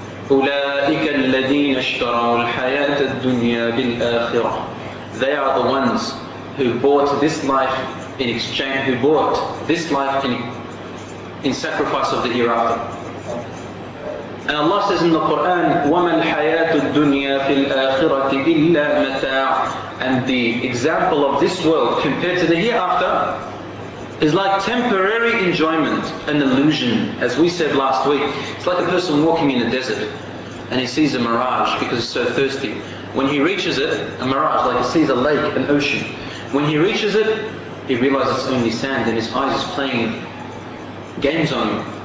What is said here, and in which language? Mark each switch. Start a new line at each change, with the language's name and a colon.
Arabic: أُولَٰئِكَ الَّذِينَ اشْتَرَوُوا الْحَيَاةَ الدُّنْيَا بِالْآخِرَةِ.
English: They are the ones who bought this life in exchange, who bought this life in sacrifice of the hereafter. And Allah says in the Quran,
Arabic: وَمَا الْحَيَاةُ الدُّنْيَا فِي الْآخِرَةِ إِلَّا مَتَاعٌ.
English: And the example of this world compared to the hereafter is like temporary enjoyment, an illusion. As we said last week, it's like a person walking in a desert and he sees a mirage because he's so thirsty. When he reaches it, a mirage, like he sees a lake, an ocean. When he reaches it, he realizes it's only sand and his eyes is playing games on him.